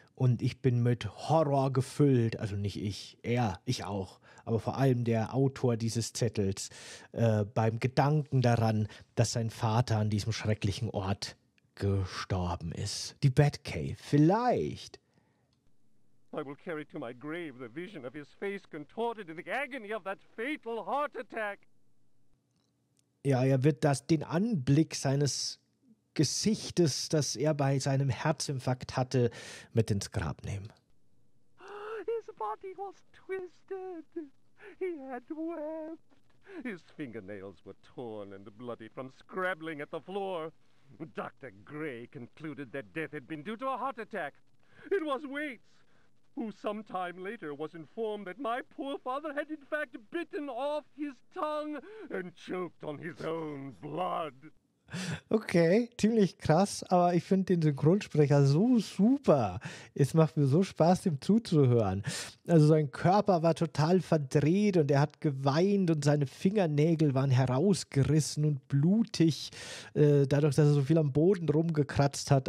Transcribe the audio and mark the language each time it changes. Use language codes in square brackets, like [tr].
[de] Und ich bin mit Horror gefüllt. Also nicht ich, er, ich auch. Aber vor allem der Autor dieses Zettels, beim Gedanken daran, dass sein Vater an diesem schrecklichen Ort gestorben ist. Die Batcave, vielleicht. [en] I will carry to my grave the vision of his face contorted in the agony of that fatal heart attack. [de] Ja, er wird den Anblick seines Gesichtes, das er bei seinem Herzinfarkt hatte, mit ins Grab nehmen. [en] His body was twisted. He had wept. His fingernails were torn and bloody from scrabbling at the floor. Dr. Gray concluded that death had been due to a heart attack. It was Waits, who sometime later was informed that my poor father had in fact bitten off his tongue and choked on his own blood. [de] Okay, ziemlich krass, aber ich finde den Synchronsprecher so super. Es macht mir so Spaß, dem zuzuhören. Also sein Körper war total verdreht und er hat geweint und seine Fingernägel waren herausgerissen und blutig, dadurch, dass er so viel am Boden rumgekratzt hat.